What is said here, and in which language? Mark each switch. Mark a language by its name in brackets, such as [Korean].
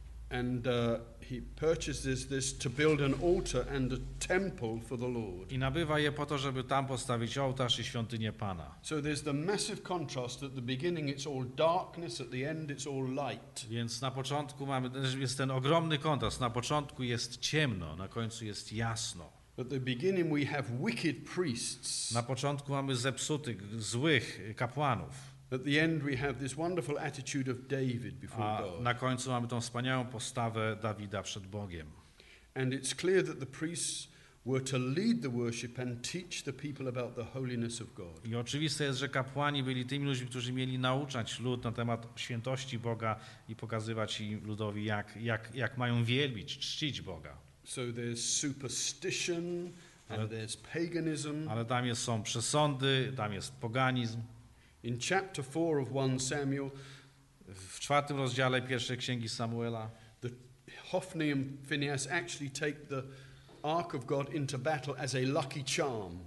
[English] And he purchases this to build an altar and a temple for the Lord. [Polish] I nabywa je po to, żeby tam postawić ołtarz i świątynię Pana. [English] So there's the massive contrast. At the beginning it's all darkness, at the end it's all light. [Polish] Więc na początku mamy, jest ten ogromny kontrast. Na początku jest ciemno, na końcu jest jasno. [English] At the beginning we have wicked priests. [Polish] Na początku mamy zepsutych, złych kapłanów. [English] At the end we have this wonderful attitude of David before God. [Polish] Na końcu mamy tą wspaniałą postawę Dawida przed Bogiem. [English] And it's clear that the priests were to lead the worship and teach the people about the holiness of God. [Polish] I oczywiste jest, że kapłani byli tymi ludźmi, którzy mieli nauczać lud na temat świętości Boga i pokazywać im ludowi, jak mają wielbić, czcić Boga. [English] So there's superstition and there's paganism. [Polish] Ale tam są przesądy, tam jest poganizm. [English] In chapter 4 of 1 Samuel, [Polish] w czwartym rozdziale pierwszej księgi Samuela, [English] the Hophni and Phinehas actually take the ark of God into battle as a lucky charm.